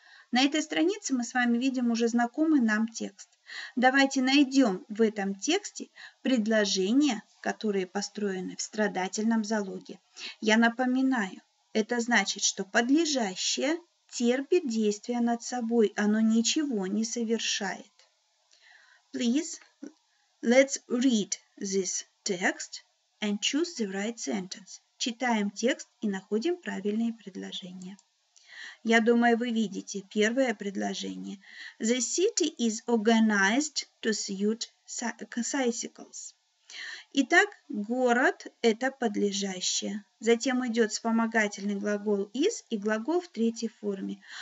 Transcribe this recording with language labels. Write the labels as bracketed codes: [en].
[ru] На этой странице мы с вами видим уже знакомый нам текст. Давайте найдем в этом тексте предложения, которые построены в страдательном залоге. Я напоминаю, это значит, что подлежащее терпит действие над собой, оно ничего не совершает. [en] Please, let's read this text and choose the right sentence. [ru] Читаем текст и находим правильные предложения. Я думаю, вы видите первое предложение. [en] The city is organized to suit cycles. [ru] Итак, город – это подлежащее. Затем идет вспомогательный глагол is и глагол в третьей форме.